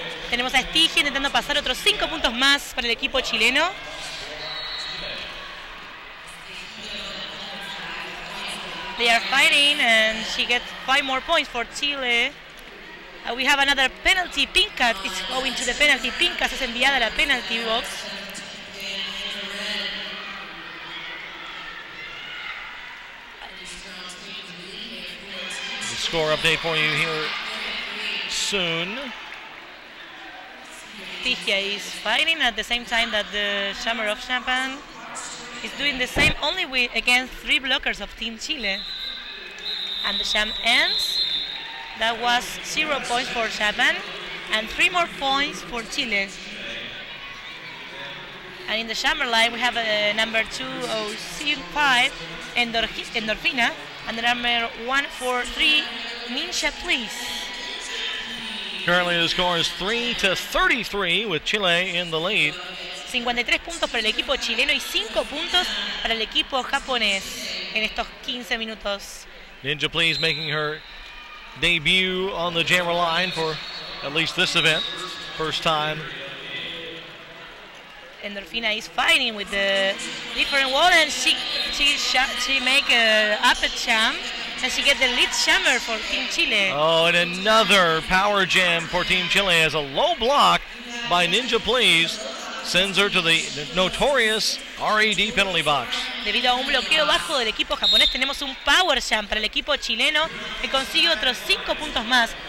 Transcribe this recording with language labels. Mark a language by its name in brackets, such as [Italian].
[Spanish] Tenemos a Stygia intentando pasar otros 5 puntos más para el equipo chileno. [English] They are fighting, and she gets 5 more points for Chile. We have another penalty. Pinkas is going to the penalty. [Spanish] Pinkas es enviada a la penalty box. [English] The score update for you here soon. Stygia is fighting at the same time that the Shammer of Champagne is doing the same, only with against 3 blockers of Team Chile. And the jam ends. That was 0 points for Japan and 3 more points for Chile. And in the jammer line, we have a number 205, Endorfina, and the number 143, Ninja, please. Currently, the score is 3-33 with Chile in the lead. [Spanish] 53 puntos para el equipo chileno y 5 puntos para el equipo japonés en estos 15 minutos. [English] Ninja Please making her debut on the jammer line for at least this event, first time. Endorfina is fighting with the different wall, and she make an upper jam, and she gets the lead jammer for Team Chile. Oh, and another power jam for Team Chile as a low block by Ninja Please sends her to the notorious RED penalty box. [Spanish] Debido a un bloqueo bajo del equipo japonés, tenemos un power jam para el equipo chileno que consigue otros 5 puntos más.